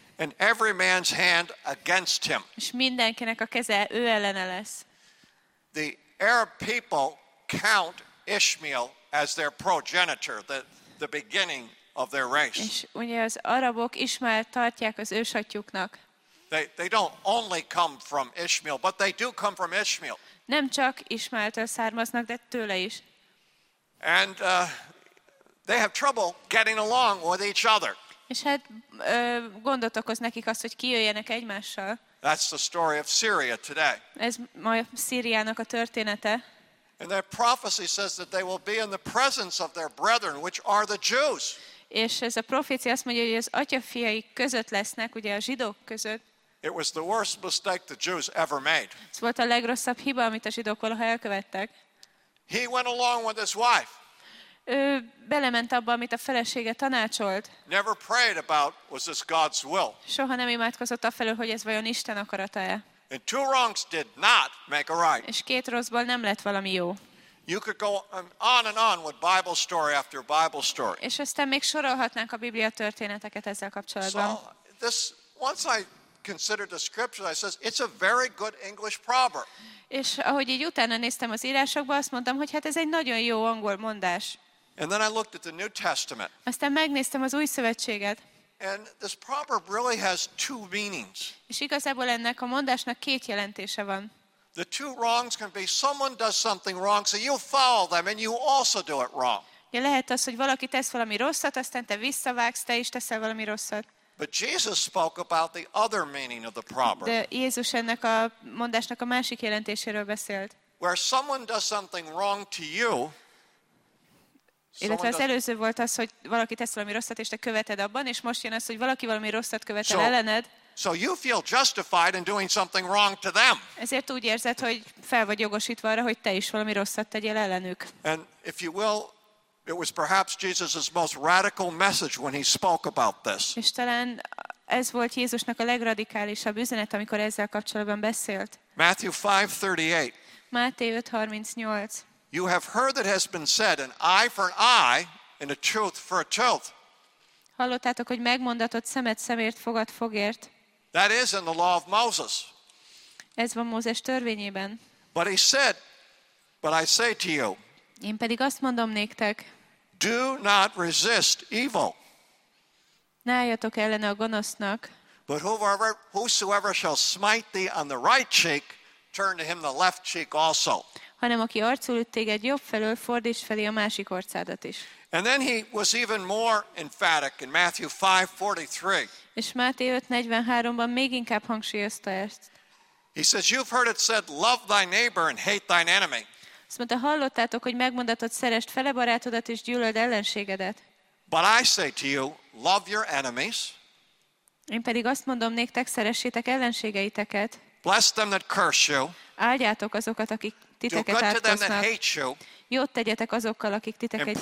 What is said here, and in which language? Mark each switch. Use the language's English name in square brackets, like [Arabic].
[English] And every man's hand against him. [Hungarian] És mindenkinek a keze ő ellene lesz. [English] The Arab people count Ishmael as their progenitor, the beginning of their race. [Hungarian] És ugye az arabok Ismaelt tartják az ősatyuknak. [English] They don't only come from Ishmael, but they do come from Ishmael. [Hungarian] Nem csak Ismaeltől származnak, de tőle is. [English] And they have trouble getting along with each other. [Hungarian] És hát gondot okoz nekik azt, hogy kijöjjenek egymással. [English] That's the story of Syria today. [Hungarian] Ez ma Szíriának a története. [English] And their prophecy says that they will be in the presence of their brethren, which are the Jews. [Hungarian] És ez a profécia azt mondja, hogy az atyafiai között lesznek, ugye a zsidók között. [English] It was the worst mistake the Jews ever made. [Hungarian] Ez volt a legrosszabb hiba, amit a zsidók valaha elkövettek. [English] He went along with his wife. [Hungarian] Ő belement abba, amit a felesége tanácsolt. [English] Never prayed about was this God's will. [Hungarian] Soha nem imádkozott afelől, hogy ez vajon Isten akarata-e. [English] And two wrongs did not make a right. [Hungarian] És két rosszból nem lett valami jó. [English] You could go on and on with Bible story after Bible story. [Hungarian] És aztán még sorolhatnánk a Biblia történeteket ezzel kapcsolatban. [English] So this, once I considered the scripture, I says it's a very good English proverb. [Hungarian] És ahogy így utána néztem az írásokba, azt mondtam, hogy hát ez egy nagyon jó angol mondás. [English] And then I looked at the New Testament. [Hungarian] Aztán megnéztem az Új Szövetséget. [English] And this proverb really has two meanings. [Hungarian] És igazából ennek a mondásnak két jelentése van. [English] The two wrongs can be someone does something wrong, so you follow them and you also do it wrong. [Hungarian] Ja, lehet az, hogy valaki tesz valami rosszat, aztán te visszavágsz, te is teszel valami rosszat. [English] But Jesus spoke about the other meaning of the proverb. [Hungarian] De Jézus ennek a mondásnak a másik jelentéséről beszélt. [English] Where someone does something wrong to you. [Hungarian] Illetve az előző volt az, hogy valaki tesz valami rosszat, és te követed abban, és most jön az, hogy valaki valami rosszat követ el ellened. [English] So you feel justified in doing something wrong to them. [Hungarian] Ezért úgy érzed, hogy fel vagy jogosítva arra, hogy te is valami rosszat tegyél ellenük. [English] And if you will, it was perhaps Jesus's most radical message when he spoke about this. [Hungarian] És talán ez volt Jézusnak a legradikálisabb üzenet, amikor ezzel kapcsolatban beszélt. [English] Matthew 5:38. [Hungarian] Máté 5:38. [English] You have heard that has been said, an eye for an eye and a tooth for a tooth. [Hungarian] Hallottátok, hogy megmondatott szemet szemért, fogat fogért. [English] That is in the law of Moses. [Hungarian] Ez van Mózes törvényében. [English] But he said, but I say to you. [Hungarian] Én pedig azt mondom néktek. [English] Do not resist evil. [Hungarian] Ne álljatok ellene a gonosznak. [English] But whosoever shall smite thee on the right cheek, turn to him the left cheek also. [Hungarian] Hanem aki arcul üt téged jobb felől, fordíts felé a másik orcádat is. [English] And then he was even more emphatic in Matthew 5:43. [Hungarian] És Máté 5:43-ban még inkább hangsúlyozta ezt. [English] He says, you've heard it said, love thy neighbor and hate thine enemy. [Hungarian] Azt mondta, hallottátok, hogy megmondatott szerest fele barátodat és gyűlöld ellenségedet. [English] But I say to you, love your enemies. [Hungarian] Én pedig azt mondom néktek, szeressétek ellenségeiteket. [English] Bless them that curse you. [Hungarian] Áldjátok azokat, akik titeket ártoznak. Jót tegyetek azokkal, akik titeket